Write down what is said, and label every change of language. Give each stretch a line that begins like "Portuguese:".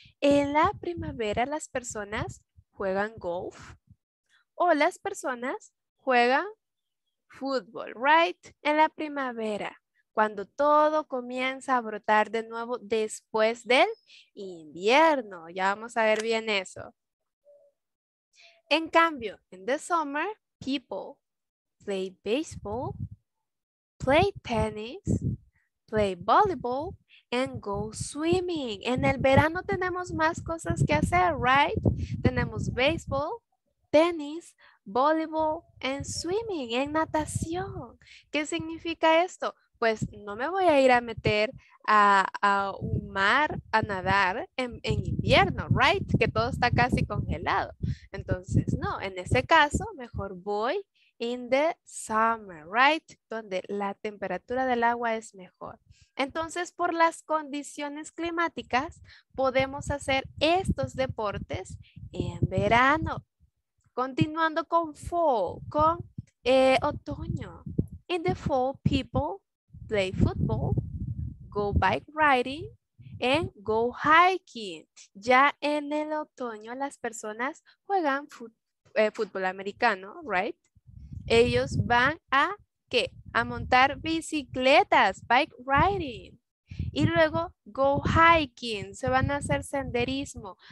Spanish: En la primavera, las personas juegan golf o las personas juegan fútbol, right? En la primavera, cuando todo comienza a brotar de nuevo después del invierno. Ya vamos a ver bien eso. En cambio,
English: in the summer, people play baseball, play tennis, play volleyball, and go swimming.
Spanish: En el verano tenemos más cosas que hacer, right? Tenemos baseball, tenis,
English: volleyball and swimming,
Spanish: en natación. ¿Qué significa esto? Pues no me voy a ir a meter a un mar a nadar en invierno, right? Que todo está casi congelado. Entonces, no, en ese caso, mejor voy
English: in the summer, right?
Spanish: Donde la temperatura del agua es mejor. Entonces, por las condiciones climáticas, podemos hacer estos deportes en verano. Continuando con fall, con otoño.
English: In the fall, people play football, go bike riding, and go hiking.
Spanish: Ya en el otoño, las personas juegan fútbol americano, right? Ellos van a, ¿qué? A montar bicicletas,
English: bike riding.
Spanish: Y luego,
English: go hiking,
Spanish: se van a hacer senderismo.